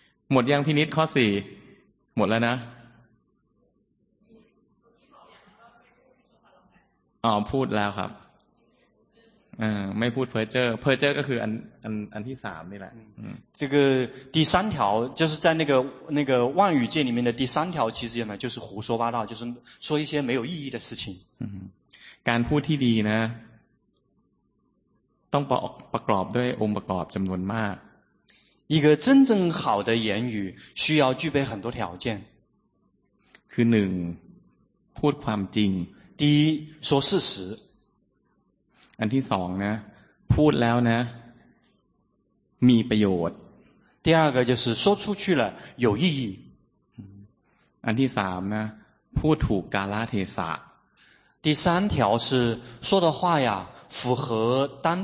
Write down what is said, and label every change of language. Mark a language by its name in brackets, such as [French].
[Thai] หมดยังพินิจข้อ4หมดแล้วนะพูดแล้วครับไม่พูดเพ้อเจ้อเพ้อเจ้อก็คืออันที่3นี่แหละ [Chinese] 这个第三条就是在那个妄语戒里面的第三条其实呢就是胡说八道就是说一些没有意义的事情 [Thai] การพูดที่ดีนะต้องประกอบด้วยองค์ประกอบจำนวนมาก [Chinese] 一个真正好的言语需要具备很多条件 [Thai] คือ1พูดความจริง [Chinese] 第一说事实 [Thai] อันที่สองนะพูดแล้วนะมีประโยชน์ [Chinese] 第二个就是说出去了有意义 [Thai] อันที่สามนะพูดถูกกาลเทศะ [Chinese] 第三条是说的话呀符合